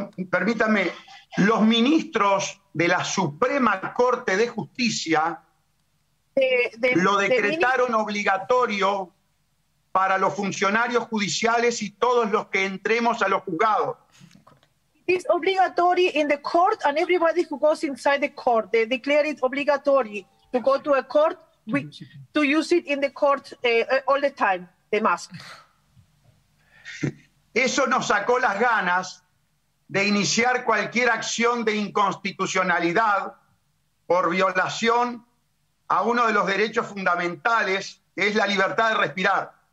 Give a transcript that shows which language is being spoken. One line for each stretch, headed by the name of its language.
Spanish: Permítame, los ministros de la Suprema Corte de Justicia lo decretaron obligatorio para los funcionarios judiciales y todos los que entremos a los juzgados.
English: It's obligatory in the court, and everybody who goes inside the court, they declare it obligatory to go to a court, to use it in the court all the time, the mask.
Spanish: Eso nos sacó las ganas de iniciar cualquier acción de inconstitucionalidad por violación a uno de los derechos fundamentales, que es la libertad de respirar.